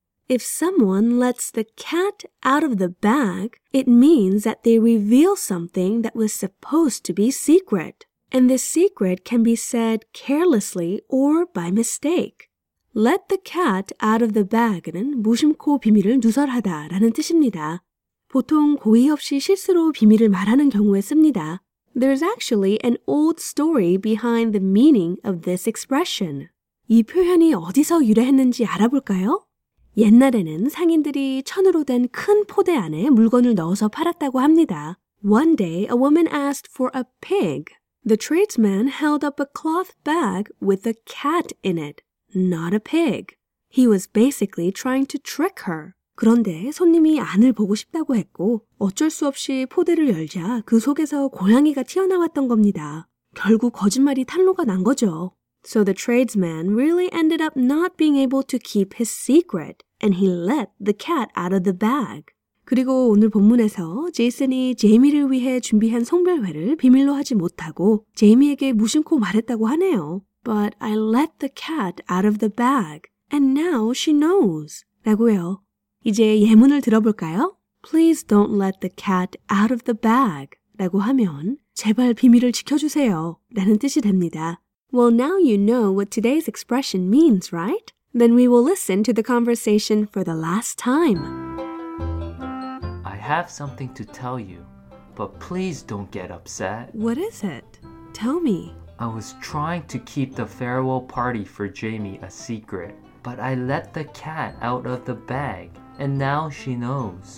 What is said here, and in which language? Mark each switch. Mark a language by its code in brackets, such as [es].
[en] If someone lets the cat out of the bag, it means that they reveal something that was supposed to be secret. And this secret can be said carelessly or by mistake. Let the cat out of the bag [ko] 은 무심코 비밀을 누설하다 라는 뜻입니다. 보통 고의 없이 실수로 비밀을 말하는 경우에 씁니다. [en] There's actually an old story behind the meaning of this expression. [ko] 이 표현이 어디서 유래했는지 알아볼까요? 옛날에는 상인들이 천으로 된 큰 포대 안에 물건을 넣어서 팔았다고 합니다. [en] One day, a woman asked for a pig. The tradesman held up a cloth bag with a cat in it. Not a pig. He was basically trying to trick her. [ko] 그런데 손님이 안을 보고 싶다고 했고 어쩔 수 없이 포대를 열자 그 속에서 고양이가 튀어나왔던 겁니다. 결국 거짓말이 탄로가 난 거죠. [en] So the tradesman really ended up not being able to keep his secret and he let the cat out of the bag. [ko] 그리고 오늘 본문에서 제이슨이 제이미를 위해 준비한 송별회를 비밀로 하지 못하고 제이미에게 무심코 말했다고 하네요. [en] But I let the cat out of the bag, and now she knows. [ko] 라고요. 이제 예문을 들어볼까요? [en] Please don't let the cat out of the bag. [ko] 라고 하면 제발 비밀을 지켜주세요. 라는 뜻이 됩니다. [en] Well, now you know what today's expression means, right? Then we will listen to the conversation for the last time. I have something to tell you, but please don't get upset. What is it? Tell me. I was trying to keep the farewell party for Jamie a secret, but I let the cat out of the bag, and now she knows.